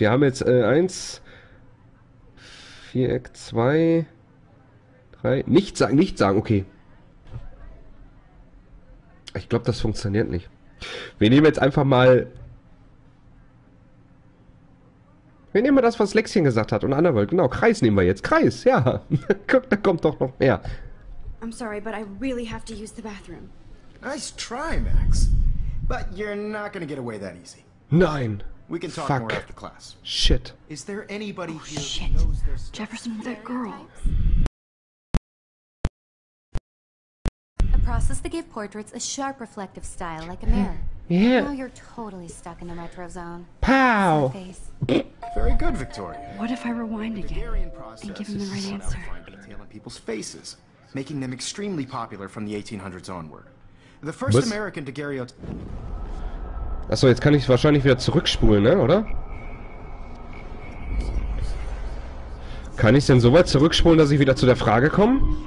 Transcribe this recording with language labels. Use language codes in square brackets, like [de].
[de] Wir haben jetzt 1, Viereck, 2, 3, nichts sagen, nichts sagen, okay. Ich glaube, das funktioniert nicht. Wir nehmen jetzt einfach mal. Wir nehmen das, was Lexchen gesagt hat und Underworld. Genau, Kreis nehmen wir jetzt. Kreis, ja. Guck, da kommt doch noch mehr. [en] I'm sorry, but I really have to use the bathroom. Nice try, Max. But you're not gonna get away that easy. [de] Nein. [en] We can talk more after class. Shit. Is there anybody oh, here shit. Who knows Jefferson with that girl. Process that gave portraits a sharp reflective style like a mirror. Yeah. Now you're totally stuck in the retro zone. Pow! Very good, Victoria. What if I rewind again and give him the right answer? Find detail in people's faces, making them extremely popular from the 1800s onward. The first American daguerreotype. [de] Achso, jetzt kann ich es wahrscheinlich wieder zurückspulen, ne, oder? Kann ich es denn so weit zurückspulen, dass ich wieder zu der Frage komme?